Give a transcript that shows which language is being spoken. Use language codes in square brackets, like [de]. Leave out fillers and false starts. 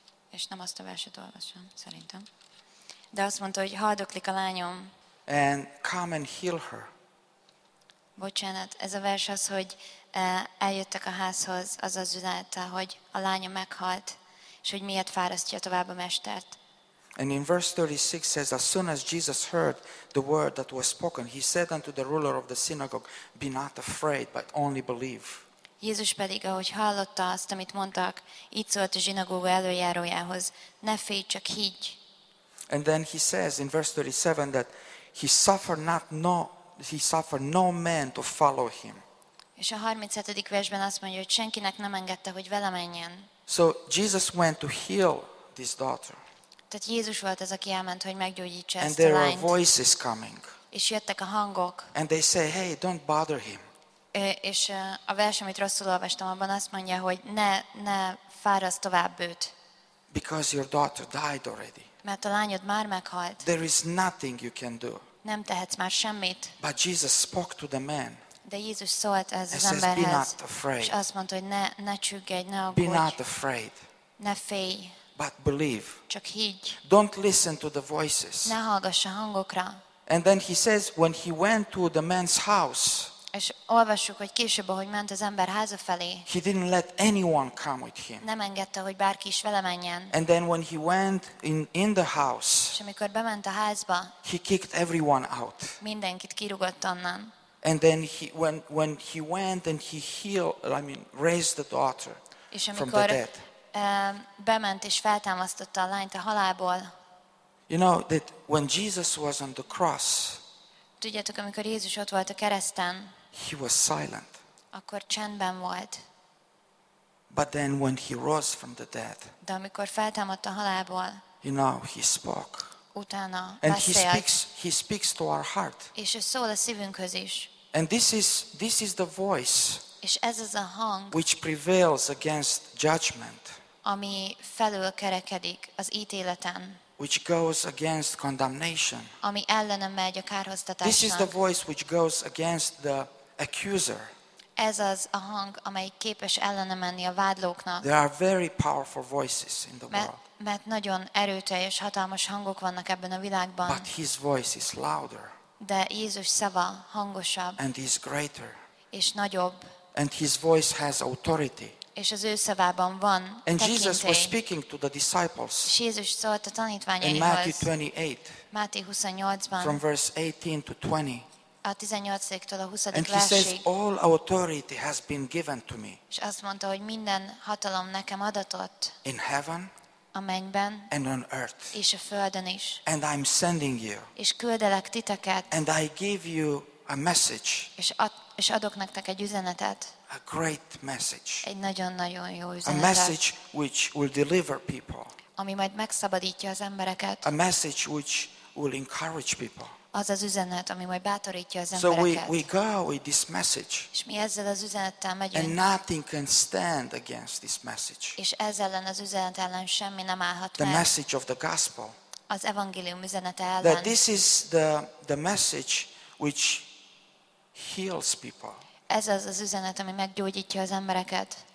[hu] És nem azt a verset olvasom, szerintem. De azt mondta, hogy haldoklik a lányom. [en] And come and heal her. [hu] Bocsánat, ez a vers az, hogy eljöttek a házhoz, az az üzenete, hogy a lánya meghalt, és hogy miért fárasztja tovább a mestert. [en] And in verse 36 says, as soon as Jesus heard the word that was spoken, he said unto the ruler of the synagogue, be not afraid, but only believe. [hu] Jézus pedig, ahogy hallotta azt, amit mondtak, így szólt a zsinagóga előjárójához, ne félj, csak higgy. [en] And then he says in verse 37 that he suffered no man to follow him. [hu] És a 37. versben azt mondja, hogy senkinek nem engedte, hogy vele menjen. [en] So Jesus went to heal this daughter. [hu] Tehát Jézus volt az, aki elment, hogy meggyógyítsa ezt a lányt. [en] And there were voices coming. [hu] És jöttek a hangok. [en] And they say, hey, don't bother him. [hu] És a vers, amit rosszul olvastam, abban azt mondja, hogy ne fáraszd tovább őt. [en] Because your daughter died already. [hu] Mert a lányod már meghalt. [en] There is nothing you can do. [hu] Nem tehetsz már semmit. [en] But Jesus spoke to the man. [hu] De Jézus szólt ez az emberhez. [en] Be not afraid. [hu] És azt mondta, hogy ne csüggedj, ne aggódj. [en] Be not afraid. [hu] Ne félj. [en] But believe. [hu] Csak higgy. [en] Don't listen to the voices. [hu] Ne hallgass a hangokra. [en] And then he says, when he went to the man's house. [hu] És olvassuk, hogy később, ahogy ment az ember háza felé. [en] He didn't let anyone come with him. [hu] Nem engedte, hogy bárki is vele menjen. [en] And then when he went in the house. [hu] És amikor bement a házba. [en] He kicked everyone out. [hu] Mindenkit kirúgott onnan. [en] And then when he went and he healed, I mean raised the daughter from the dead. [hu] Bement és feltámasztotta a lányt a halálból. [en] You know that when Jesus was on the cross. [hu] Tudjátok, amikor Jézus ott volt a kereszten. [en] He was silent. [hu] Akkor csendben volt. [en] But then when he rose from the dead. [hu] De amikor feltámadt a halálból. [en] You know he spoke. [hu] Utána [en] and he speaks to our heart. [hu] És ő szól a szívünkhöz is. [en] And this is the voice. [hu] És ez az a hang. [en] Which prevails against judgment. [hu] Ami felül kerekedik az ítéleten. [en] Which goes against condemnation. [hu] Ami ellenem megy a kárhoztatásnak. [en] This is the voice which goes against the accuser. [hu] Ez az a hang, amely képes ellenem menni a vádlóknak. [en] There are very powerful voices in the world. [hu] Mert nagyon erőteljes, hatalmas hangok vannak ebben a világban. [en] But his voice is louder. [hu] De Jézus szava hangosabb. [en] And is greater. [hu] És nagyobb. [en] And his voice has authority. [hu] És az ő szavában van tekintély. [en] And Jesus was speaking to the disciples. [hu] És Jézus szólt a tanítványaihoz. [en] In Matthew 28. [hu] Máté 28-ban. [en] From verse 18 to 20. [hu] A 18-től a 20. [en] And [hu] versig. [en] He says, all authority has been given to me. [hu] És azt mondta, hogy minden hatalom nekem adatott. [en] In heaven. [hu] A mennyben. [en] And on earth. [hu] És a földön is. [en] And I'm sending you. [hu] És küldelek titeket. [en] And I give you a message. [hu] És adok nektek egy üzenetet. [en] A great message. [hu] Egy nagyon-nagyon jó üzenetet. [en] A message which will deliver people. [hu] Ami majd megszabadítja az embereket. [en] A message which will encourage people. [hu] az az üzenet, ami majd bátorítja az embereket. [en] So we go with this message. [hu] És mi ezzel az üzenettel megyünk. [en] And nothing can stand against this message. [hu] És ezzel ellen az üzenet ellen semmi nem állhat meg. [en] The message of the gospel. [hu] Az evangélium üzenete ellen. [en] That this is the message which heals people. [hu] Ez az az üzenet, ami meggyógyítja az embereket.